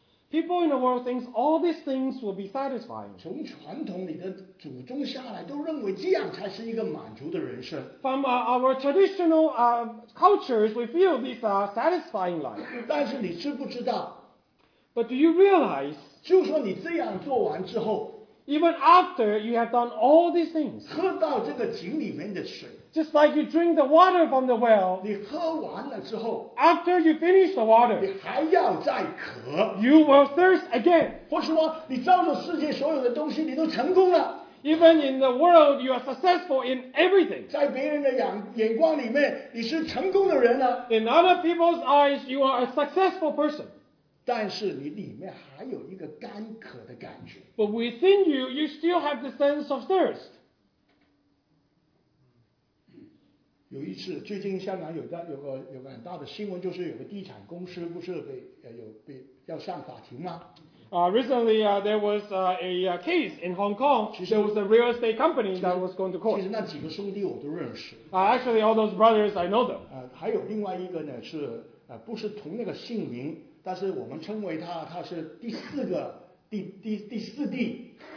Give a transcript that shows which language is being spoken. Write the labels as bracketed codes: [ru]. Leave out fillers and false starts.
[en] people in the world think all these things will be satisfying. [zh] 从传统里的祖宗下来都认为这样才是一个满足的人生。 [en] From our traditional cultures, we feel this satisfying life. [zh] 但是你知不知道, [en] but do you realize, [zh] 就说你这样做完之后, [en] Even after you have done all these things, [zh] 喝到这个井里面的水, [en] just like you drink the water from the well, [zh] 你喝完了之后, [en] after you finish the water, [zh] 你还要再渴, [en] you will thirst again. [zh] 或是说你造了世界所有的东西你都成功了。 [en] Even in the world, you are successful in everything. [zh] 在别人的眼光里面你是成功的人了。 [en] In other people's eyes, you are a successful person. [zh] 但是你里面还有一个干渴的感觉。 [en] But within you, you still have the sense of thirst. [zh] 有一次最近香港有个很大的新闻，就是有个地产公司不是被要上法庭吗？ [en] Recently, there was a case in Hong Kong. There was a real estate company that was going to court. [zh] 其实那几个兄弟我都认识。 [en] Actually, all those brothers, I know them. [zh] 还有另外一个呢是不是同那个姓名，但是我们称为他是第四个第四弟。